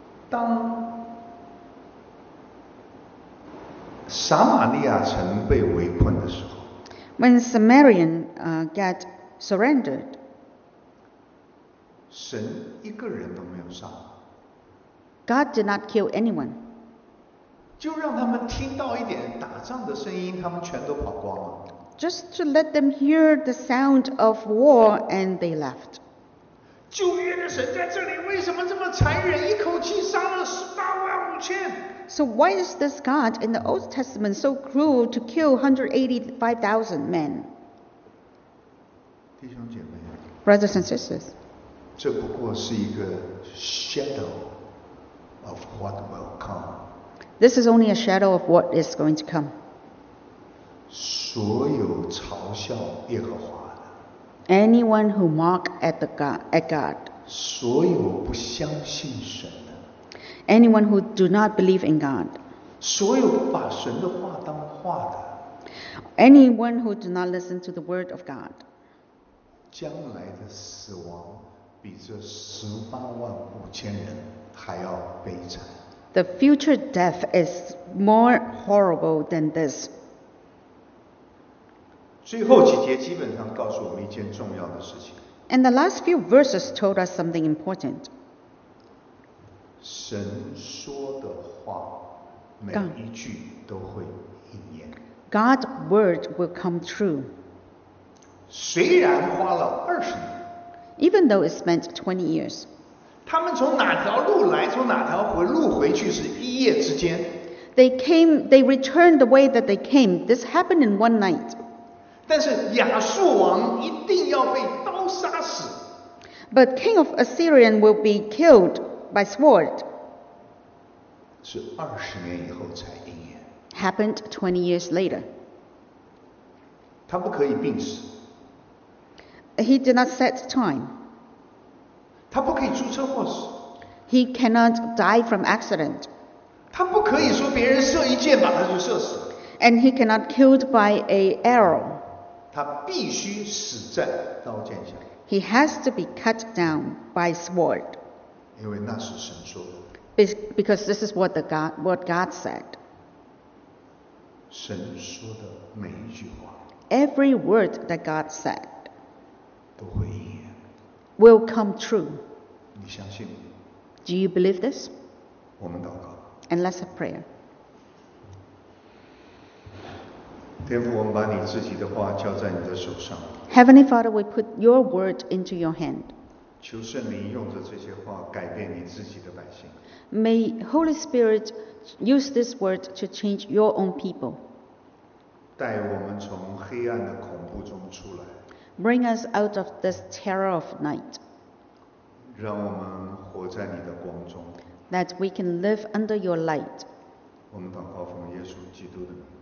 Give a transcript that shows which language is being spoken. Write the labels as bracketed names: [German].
[Chinese] 当撒玛利亚城被围困的时候， [English] When Samaria got surrendered, [Chinese] 神一个人都没有杀。 [English] God did not kill anyone. [Chinese] 就让他们听到一点打仗的声音，他们全都跑光了。 [English] Just to let them hear the sound of war, and they left. [Chinese] 旧约的神在这里，为什么这么残忍，一口气杀了185,000？ [English] So why is this God in the Old Testament so cruel to kill 185,000 men? [Chinese] 弟兄姐妹， [English] Brothers and sisters, [Chinese] 这不过是一个 [English] shadow of what will come. This is only a shadow of what is going to come. [Chinese] 所有嘲笑耶和华的， [English] Anyone who mock at the God, at God. [Chinese] 所有不相信神的， [English] Anyone who do not believe in God. [Chinese] 所有不把神的话当话的， [English] Anyone who do not listen to the word of God. [Chinese] 将来的死亡比这185,000人还要悲惨。 [English] The future death is more horrible than this. [Chinese] 最后几节基本上告诉我们一件重要的事情。 [English] And the last few verses told us something important. [Chinese] 神说的话每一句都会应验。 [English] God's word will come true. [Chinese] 虽然花了20年。 [English] Even though it spent 20 years. [Chinese] 他们从哪条路来，从哪条回路回去，是一夜之间。 [English] They came, they returned the way that they came. This happened in one night. [Chinese] 但是亚述王一定要被刀杀死。 [English] But king of Assyrian will be killed by sword. [Chinese] 是20年以后才应验。 [English] Happened 20 years later. [Chinese] 他不可以病死。 [English] He did not set time. [Chinese] 他不可以出车祸死。 [English] He cannot die from accident. [Chinese] 他不可以说别人射一箭把他就射死。 [English] And he cannot killed by a arrow. [Chinese] 他必须死在刀剑下。 [English] He has to be cut down by sword. [Chinese] 因为那是神说的。 [English] Because this is what God said. [Chinese] 神说的每一句话。 [English] Every word that God said. [Chinese] 都会应。 [English] Will come true. [Chinese] 你相信吗？ [English] Do you believe this? [Chinese] 我们祷告。 [English] And let's have prayer. [Chinese] 天父，我们把你自己的话交在你的手上。 [English] Heavenly Father, we put your word into your hand. [Chinese] 求圣灵用着这些话改变你自己的百姓。 [English] May Holy Spirit use this word to change your own people. [Chinese] 带我们从黑暗的恐怖中出来。 [English] Bring us out of this terror of night. [Chinese] 让我们活在你的光中。 [English] That we can live under your light. [Chinese] 我们祷告奉耶稣基督的名。